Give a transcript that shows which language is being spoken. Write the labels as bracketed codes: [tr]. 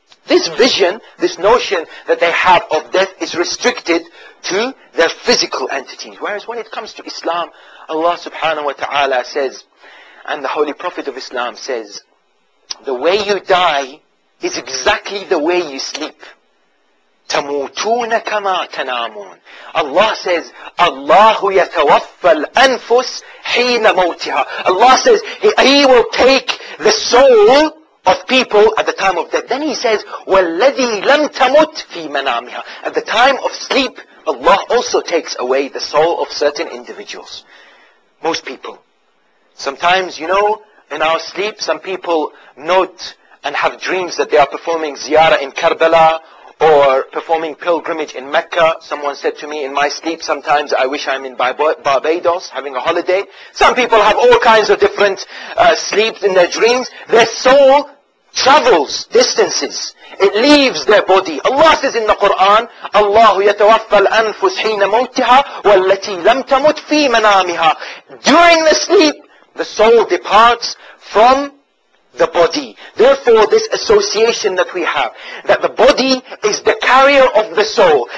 [en] This vision, this notion that they have of death is restricted to their physical entities. Whereas when it comes to Islam, Allah subhanahu wa ta'ala says, and the Holy Prophet of Islam says, the way you die is exactly the way you sleep. [ar] تموتون كما تنامون. [en] Allah says, [ar] Allah يتوفى الأنفس حين موتها. [en] Allah says, He will take the soul of people at the time of death. Then He says, [ar] والذي لم تمت في منامها. [en] At the time of sleep, Allah also takes away the soul of certain individuals. Most people. Sometimes, you know, in our sleep, some people note and have dreams that they are performing ziyarah in Karbala or performing pilgrimage in Mecca. Someone said to me, in my sleep, sometimes I wish I'm in Barbados having a holiday. Some people have all kinds of different sleeps in their dreams. Their soul travels distances. It leaves their body. Allah says in the Quran, [ar] اللَّهُ يَتَوَفَّى الْأَنفُسْ حِينَ مَوْتِهَا وَالَّتِي لَمْ تَمُتْ فِي مَنَامِهَا. [en] During the sleep, the soul departs from the body. Therefore, this association that we have, that the body is the carrier of the soul.